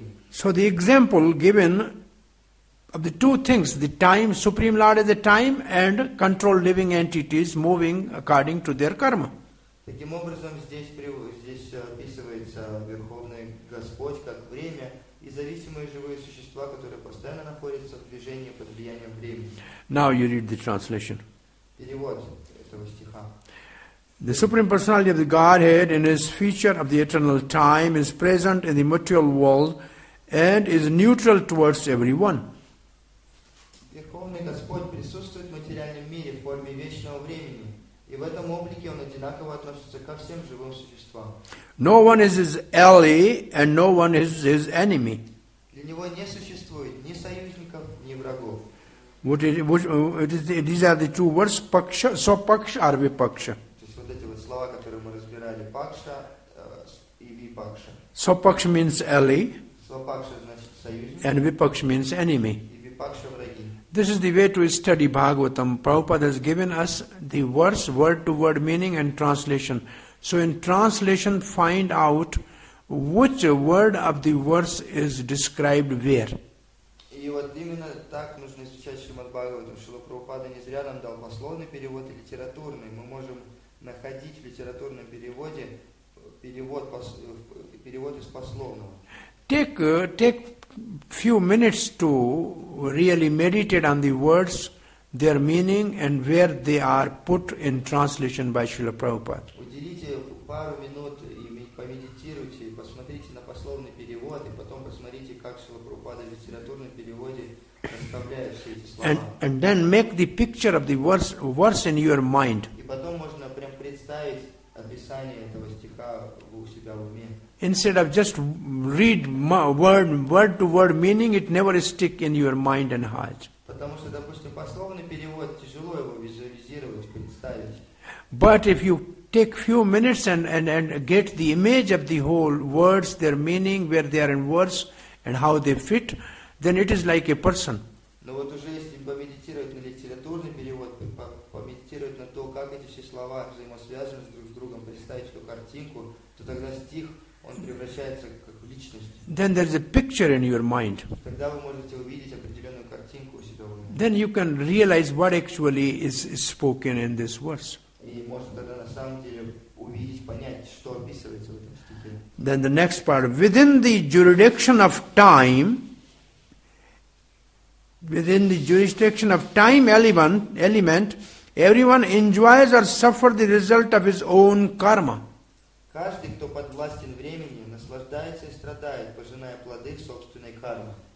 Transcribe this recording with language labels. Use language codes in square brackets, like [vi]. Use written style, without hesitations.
[en] So the example given of the two things, the time, Supreme Lord is the time and controlled living entities moving according to their karma. [ru] Таким образом, здесь описывается Верховный Господь как время и зависимые живые существа, которые постоянно находятся в движении под влиянием времени. [en] Now you read the translation. [ru] Перевод этого стиха. [en] The Supreme Personality of the Godhead in His feature of the eternal time is present in the material world and is neutral towards everyone. [ru] Верховный Господь присутствует в материальном мире в форме вечного времени, и в этом облике Он одинаково относится ко всем живым существам. [en] No one is His ally and no one is His enemy. [ru] Для Него не существует ни союзников, ни врагов. [en] These are the two words, paksha, so paksha or vipaksha. [ru] Слова, которые мы разбирали, пакша, [sa] Vipaksha. [en] Sopaksha means ally. [ru] Sopaksha значит союзник. [en] And Vipaksha means enemy. [ru] И Vipaksha враги. [en] This is the way to study Bhagavatam. Prabhupada has given us the verse, word-to-word meaning and translation. So in translation, find out which word of the verse is described where. [ru] И вот именно так нужно изучать Шримад Бхагаватам. Шрила Прабхупада не зря нам дал пословный перевод и литературный. Мы можем находить в литературном переводе перевод, перевод из пословного. [en] Take few minutes to really meditate on the words, their meaning, and where they are put in translation by Srila Prabhupada. [ru] Уделите пару минут и помедитируйте, посмотрите на пословный перевод, и потом посмотрите, как Шрила Прабхупада в литературном переводе расставляет все эти слова. [en] And then make the picture of the verse in your mind. [ru] И потом можно прям представить описание этого стиха у себя в уме. [en] Instead of just read word to word meaning, it never stick in your mind and heart. [ru] Потому что, допустим, пословный перевод тяжело его визуализировать, представить. [en] But if you take few minutes and get the image of the whole words, their meaning, where they are in words, and how they fit, then it is like a person. [ru] Но вот уже если помедитировать на литературный перевод, помедитировать на то, как эти все слова взаимосвязаны друг с другом, представить эту картинку, то тогда стих он превращается как в личность. [en] Then there is a picture in your mind. [ru] Тогда вы можете увидеть определенную картинку у себя в уме. [en] Then you can realize what actually is spoken in this verse. [ru] И можно тогда на самом деле увидеть, понять, что описывается в этом стихе. [en] Then the next part, within the jurisdiction of time, element, everyone enjoys or suffers the result of his own karma. [ru] Каждый, кто подвластен времени, наслаждается и страдает, пожиная плоды собственной кармы.